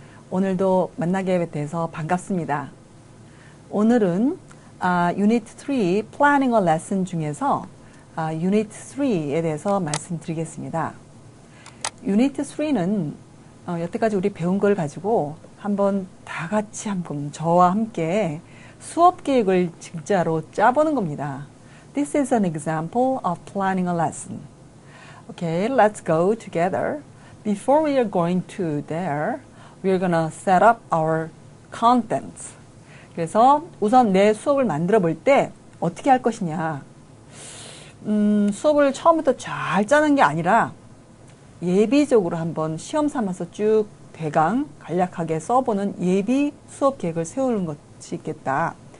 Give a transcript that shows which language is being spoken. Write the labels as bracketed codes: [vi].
[ko] 오늘도 만나게 돼서 반갑습니다. 오늘은 유닛 3 Planning a Lesson 중에서 유닛 3에 대해서 말씀드리겠습니다. 유닛 3는 여태까지 우리 배운 걸 가지고 한번 다 같이 한번 저와 함께 수업 계획을 진짜로 짜보는 겁니다. [en] This is an example of planning a lesson. Okay, let's go together. Before we are going to there, we are gonna set up our contents. [ko] 그래서 우선 내 수업을 만들어 볼때 어떻게 할 것이냐. 수업을 처음부터 잘 짜는 게 아니라 예비적으로 한번 시험 삼아서 쭉 대강 간략하게 써보는 예비 수업 계획을 세우는 것이 있겠다.